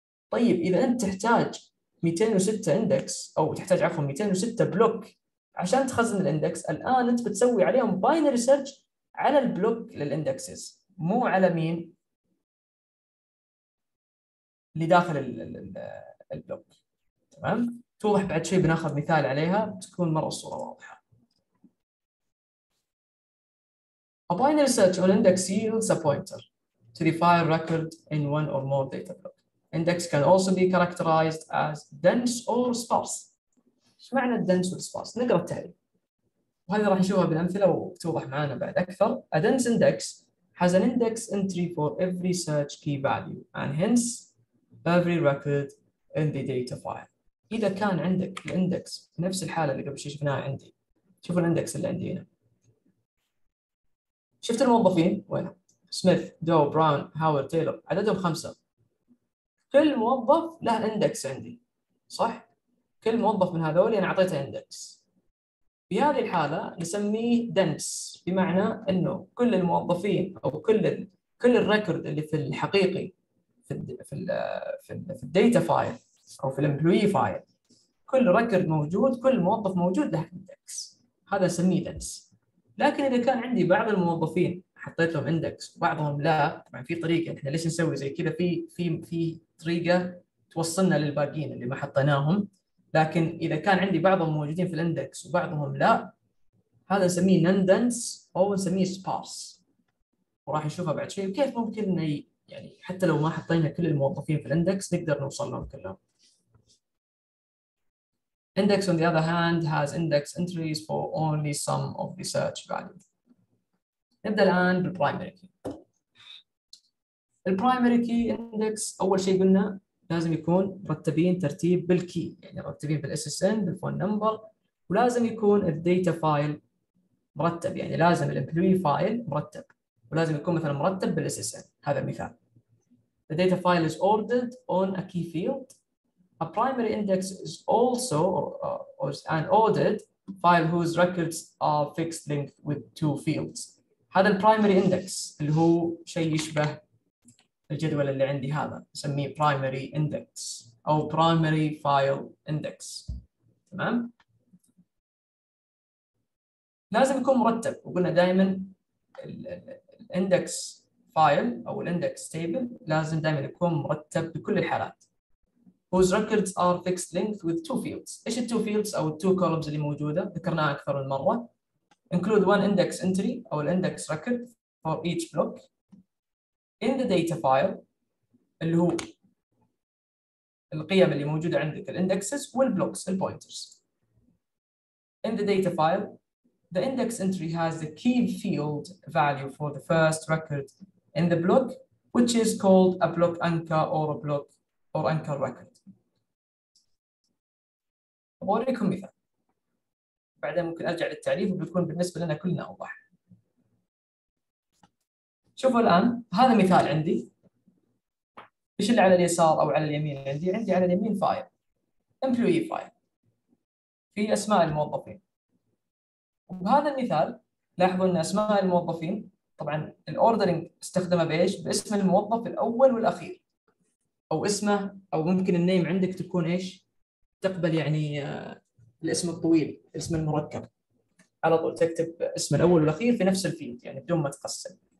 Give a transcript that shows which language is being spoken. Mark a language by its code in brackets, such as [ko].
[ar] طيب، اذا انت تحتاج 206 اندكس، او تحتاج عفوا 206 بلوك عشان تخزن الاندكس، الان انت بتسوي عليهم باينري سيرش على البلوك للاندكسز، مو على مين اللي داخل البلوك. تمام، توضح بعد شيء، بناخذ مثال عليها بتكون مره الصوره واضحه. [en] A binary search on index yields a pointer to the file record in one or more data block. Index can also be characterized as dense or sparse. [ar] ايش معنى الدنس والسبارس؟ نقرا التعريف، وهذه راح نشوفها بالامثله وتوضح معنا بعد اكثر. [en] A dense index has an index entry for every search key value and hence every record in the data file. [ar] إذا كان عندك الاندكس نفس الحالة اللي قبل شوي شفناها عندي، شوف الاندكس اللي عندي هنا، شفت الموظفين وين؟ سميث، دو، براون، هاورد، تايلور، عددهم 5. كل موظف له اندكس عندي، صح؟ كل موظف من هذول أنا أعطيته اندكس. في هذه الحالة نسميه دنس، بمعنى إنه كل الموظفين أو كل الريكورد اللي في الحقيقي في الداتا فايل او في الامبلوي فايل، كل ريكورد موجود، كل موظف موجود له اندكس، هذا نسميه دنس. لكن اذا كان عندي بعض الموظفين حطيت لهم اندكس وبعضهم لا، طبعا في طريقه احنا ليش نسوي زي كذا، في طريقه توصلنا للباقيين اللي ما حطيناهم، لكن اذا كان عندي بعضهم موجودين في الاندكس وبعضهم لا، هذا نسميه نون دنس او نسميه سبارس، وراح نشوفها بعد شوي وكيف ممكن يعني حتى لو ما حطينا كل الموظفين في الاندكس نقدر نوصل لهم كلهم. [en] Index on the other hand has index entries for only some of the search value. [ar] نبدأ الآن بالبرايمري كي. البرايمري كي اندكس أول شيء قلنا لازم يكون مرتبين ترتيب بالكي، يعني مرتبين بالSSN بالفون نمبر، ولازم يكون الداتا فايل مرتب، يعني لازم الامبلوي فايل مرتب، ولازم يكون مثلا مرتب بالSSN. هذا مثال. [en] The data file is ordered on a key field. A primary index is also an ordered file whose records are fixed length with two fields. [ar] هذا primary index اللي هو شيء يشبه الجدول اللي عندي هذا، نسميه primary index أو primary file index. تمام؟ لازم يكون مرتب، وقلنا دائما الindex file أو الindex table لازم دائما يكون مرتب بكل الحالات. [en] Whose records are fixed length with two fields. [ar] ايش التو فيلدز او التو كولمز اللي موجوده؟ ذكرناها اكثر من مره. [en] Include one index entry او الindex record for each block in the data file [ar] اللي هو القيم اللي موجوده عندك الindexes والblocks البوينترز. [en] In the data file, the index entry has the key field value for the first record in the block, which is called a block anchor or a block or anchor record. [ar] بوريكم مثال بعدين، ممكن ارجع للتعريف وبيكون بالنسبه لنا كلنا اوضح. شوفوا الان هذا مثال عندي، ايش اللي على اليسار او على اليمين؟ عندي على اليمين فايل امبلوي فايل في اسماء الموظفين، وهذا المثال لاحظوا ان اسماء الموظفين طبعا الاوردرنج استخدمه بايش؟ باسم الموظف الاول والاخير، او اسمه، او ممكن النيم عندك تكون ايش؟ تقبل يعني الاسم الطويل، الاسم المركب، على طول تكتب اسم الاول والاخير في نفس الفيلد يعني بدون ما تقسم.